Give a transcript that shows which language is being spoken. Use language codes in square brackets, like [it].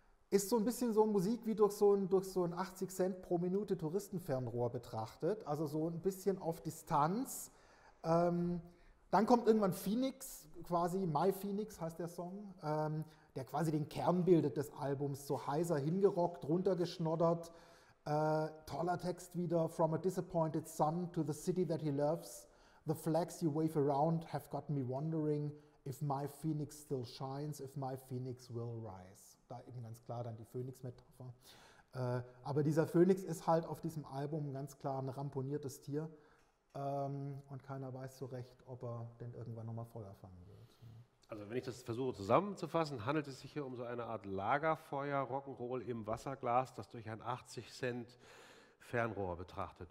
[de] Ist so ein bisschen so Musik wie durch so ein 80 Cent pro Minute Touristenfernrohr betrachtet, also so ein bisschen auf Distanz. Dann kommt irgendwann Phoenix, quasi My Phoenix heißt der Song, der quasi den Kern bildet des Albums, so heiser hingerockt, runtergeschnoddert. Toller Text wieder, [en] from a disappointed son to the city that he loves, the flags you wave around have got me wondering if my Phoenix still shines, if my Phoenix will rise. [de] Da eben ganz klar dann die Phönix-Metapher. Aber dieser Phönix ist halt auf diesem Album ganz klar ein ramponiertes Tier und keiner weiß so recht, ob er denn irgendwann nochmal Feuer fangen wird. Also wenn ich das versuche zusammenzufassen, handelt es sich hier um so eine Art Lagerfeuer, Rock'n'Roll im Wasserglas, das durch ein 80 Cent Fernrohr betrachtet